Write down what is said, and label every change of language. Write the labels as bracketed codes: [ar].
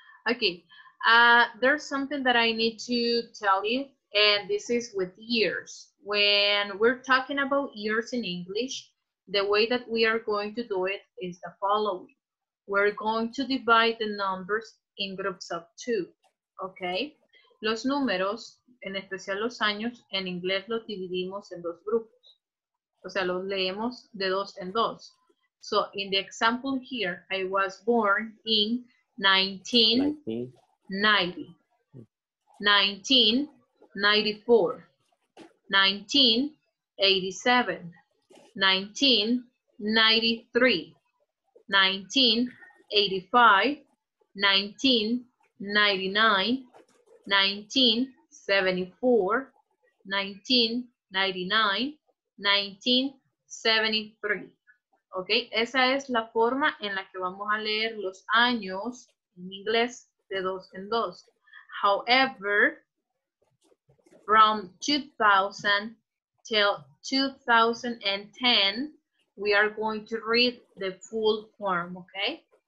[en] Okay, there's something that I need to tell you, and this is with years. When we're talking about years in English, the way that we are going to do it is the following. We're going to divide the numbers in groups of two, okay? [es] Los números, en especial los años, en inglés los dividimos en dos grupos. O sea, los leemos de dos en dos. [en] So, in the example here, I was born in 1990, 1994, 1987, 1993, 1985, 1999, 1974, 1999, 1973. [es] Okay, esa es la forma en la que vamos a leer los años en inglés de dos en dos. [en] However, from 2000 till 2010, we are going to read the full form, okay?